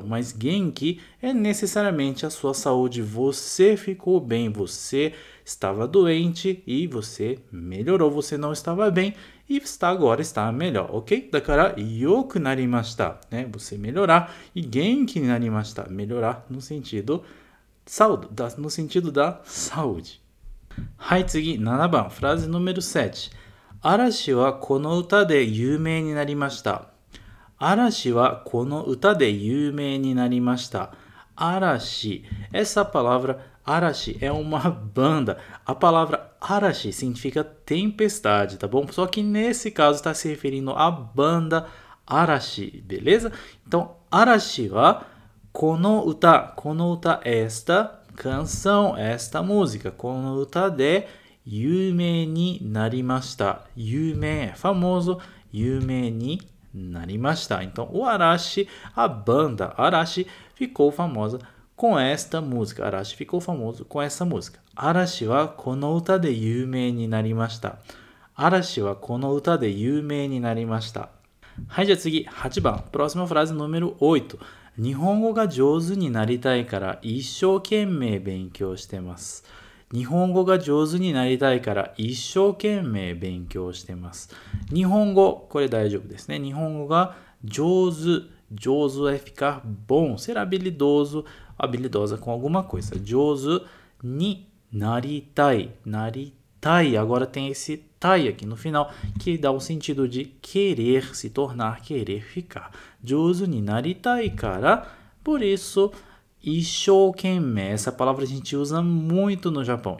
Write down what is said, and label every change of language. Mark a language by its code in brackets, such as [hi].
[pt] Mas genki é necessariamente a sua saúde, você ficou bem, você estava doente e você melhorou, você não estava bem e está agora está melhor, ok? Dakara, [ja] yoku narimashita, [pt] né? Você melhorar, e [ja] genki narimashita, [pt] melhorar no sentido, no sentido da saúde. [ja] はい、次7番、フラーズ [pt] número 7。 [ja] 嵐はこの歌で有名になりました。嵐はこの歌で有名になりました。 [pt] 嵐、essa palavra嵐é uma banda. A palavra嵐 significa tempestade, tá bom? Só que nesse caso está se referindo à banda 嵐, beleza? [ja] Então, 嵐はこの歌、この歌 [pt] estaCanção, esta música, [ja] この歌で有名になりました。有名 [pt] é famoso, [ja] 有名になりました。 [pt] Então, o Arashi, a banda Arashi, ficou famosa com esta música. Arashi ficou famoso com essa música. [ja] Arashi はこの歌で有名になりました。 Arashi はこの歌で有名になりました。はい、じゃあ次、8番。 [pt] Próxima frase, número 8. [ja] 日本語が上手になりたいから一生懸命勉強してます。日本語が上手になりたいから一生懸命勉強してます。日本語、これ大丈夫ですね。日本語が上手。 [pt] 上手 é ficar bom, ser habilidoso, habilidosa com alguma coisa. [ja] 上手になりたい。なり [pt] tai, agora tem esse tai aqui no final, que dá o sentido de querer se tornar, querer ficar. [ja] Jūzu ni naritai kara, [pt] por isso, [ja] isshōkenmei, [pt] essa palavra a gente usa muito no Japão.